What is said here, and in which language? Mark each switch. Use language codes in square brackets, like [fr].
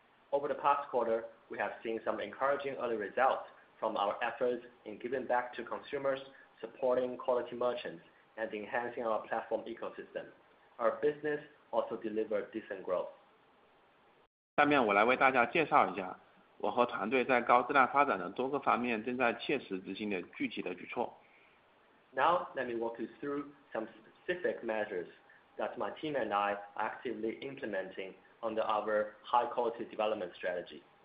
[en] Over the past quarter, we have seen some encouraging early results from our efforts in giving back to consumers, supporting quality merchants, and enhancing our platform ecosystem. Our business also delivered decent growth. [zh] 下面我来为大家介绍一下我和团队在高质量发展的多个方面正在切实执行的具体的举措。 [en] Now, let me walk you through some specific measures that my team and I are actively implementing under our high-quality development strategy.